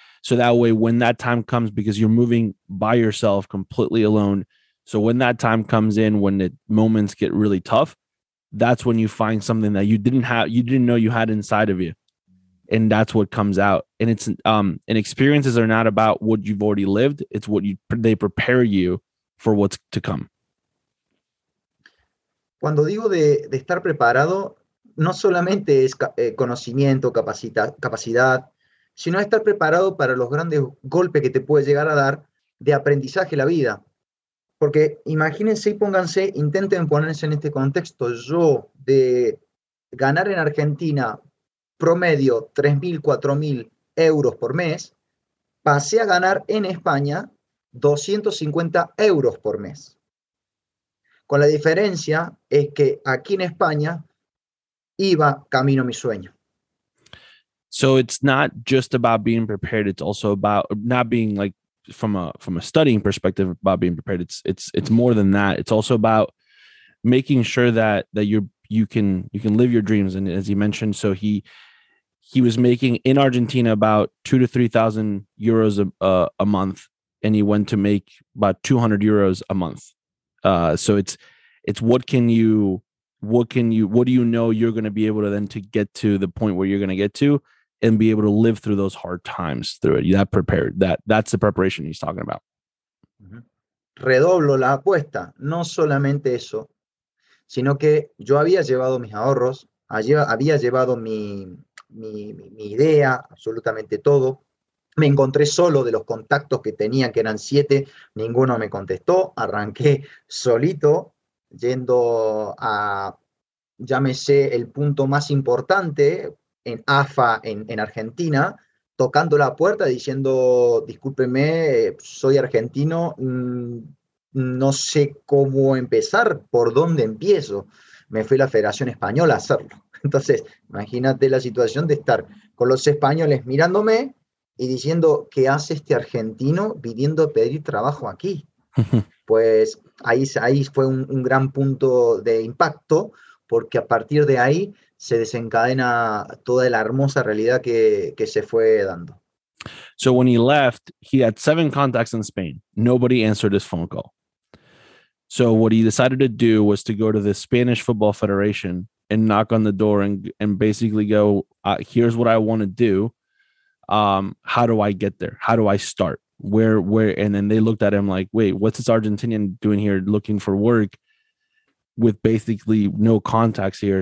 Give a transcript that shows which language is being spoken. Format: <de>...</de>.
<en>So that way, when that time comes, because you're moving by yourself completely alone, so when that time comes in, when the moments get really tough, that's when you find something that you didn't know you had inside of you. and that's what comes out. And it's and experiences are not about what you've already lived. It's what you they prepare you for what's to come.</en> <es>Cuando digo de estar preparado, no solamente es conocimiento, capacidad, sino estar preparado para los grandes golpes que te puede llegar a dar de aprendizaje la vida. Porque imagínense y pónganse, intenten ponerse en este contexto, yo de ganar en Argentina promedio 3.000, 4.000 euros por mes, pasé a ganar en España 250 euros por mes. Con la diferencia es que aquí en España iba camino a mi sueño.</es> <en>So it's not just about being prepared, it's also about not being like from a studying perspective about being prepared. It's more than that. It's also about making sure that you can live your dreams. And as you mentioned, so he was making in Argentina about 2,000 to 3,000 euros a month, and he went to make about 200 euros a month. So it's what do you know you're going to be able to then to get to the point where you're going to get to and be able to live through those hard times through it. That's the preparation he's talking about.</en> <es>Redoblo la apuesta. No solamente eso, sino que yo había llevado mis ahorros, había llevado mi idea, absolutamente todo. Me encontré solo de los contactos que tenía, que eran 7. Ninguno me contestó. Arranqué solito yendo a, llámese, el punto más importante en AFA, en Argentina, tocando la puerta diciendo, discúlpeme, soy argentino, no sé cómo empezar, por dónde empiezo. Me fui a la Federación Española a hacerlo. Entonces, imagínate la situación de estar con los españoles mirándome y diciendo, ¿qué hace este argentino viniendo a pedir trabajo aquí? Pues ahí fue un gran punto de impacto, porque a partir de ahí se desencadena toda la hermosa realidad que se fue dando.</es> <en>So when he left, he had 7 contacts in Spain. Nobody answered his phone call. So what he decided to do was to go to the Spanish Football Federation and knock on the door and basically go, here's what I want to do. How do I get there? How do I start? Where? And then they looked at him like, wait, what's this Argentinian doing here looking for work with basically no contacts here?</en>